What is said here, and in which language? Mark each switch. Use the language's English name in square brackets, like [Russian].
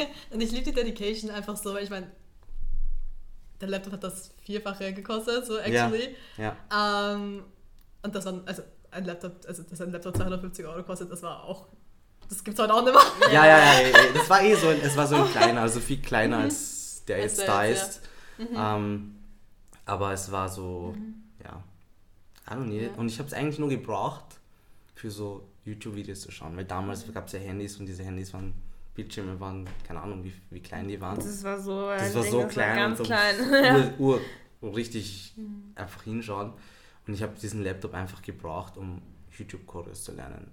[German] Und ich liebe die Dedication einfach so, weil ich meine, der Laptop hat das Vierfache gekostet, so actually. Ja, ja. Und das war, also ein Laptop, also dass ein Laptop 250 Euro kostet, das war auch, das gibt's heute auch nicht mehr. Ja, das war eh so, es war so ein kleiner, also viel kleiner als der jetzt da ist. Ja. Aber es war so, ja, [English] I don't need it. [German] Und ich habe es eigentlich nur gebraucht für so YouTube-Videos zu schauen, weil damals gab es ja Handys und diese Handys waren, Bildschirme waren, keine Ahnung, wie klein die waren. Das war so klein. Richtig einfach hinschauen. Und ich habe diesen Laptop einfach gebraucht, um YouTube-Choreos zu lernen.